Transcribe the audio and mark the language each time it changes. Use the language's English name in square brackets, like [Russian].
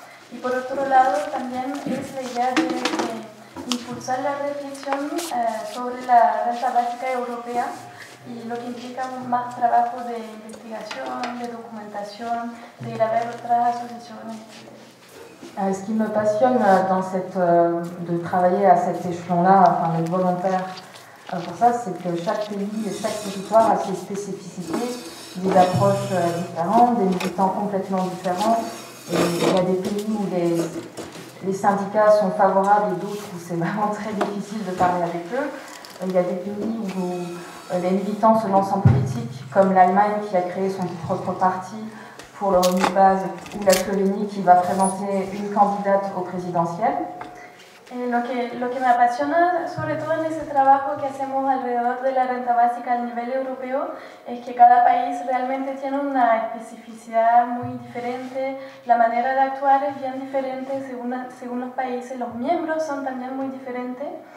[Spanish] Y por otro lado, también es la idea de impulsar la reflexión sobre la renta básica europea y lo que implica más trabajo de investigación, de documentación, de ir a ver otras asociaciones. [French] Ce qui me passionne de travailler à cet échelon-là, enfin d'être volontaire pour ça, c'est que chaque pays et chaque territoire a ses spécificités, des approches différentes, des militants complètement différents. Et il y a des pays où les syndicats sont favorables et d'autres où c'est vraiment très difficile de parler avec eux. Il y a des pays où les militants se lancent en politique, comme l'Allemagne qui a créé son propre parti pour le revenu de base, ou la Slovénie qui va présenter une candidate au présidentiel. [Spanish] Et lo que me apasiona, sobre todo en ese trabajo que hacemos alrededor de la renta básica a nivel europeo, es que cada país realmente tiene una especificidad muy diferente, la manera de actuar es bien diferente según los países, los miembros son también muy diferentes.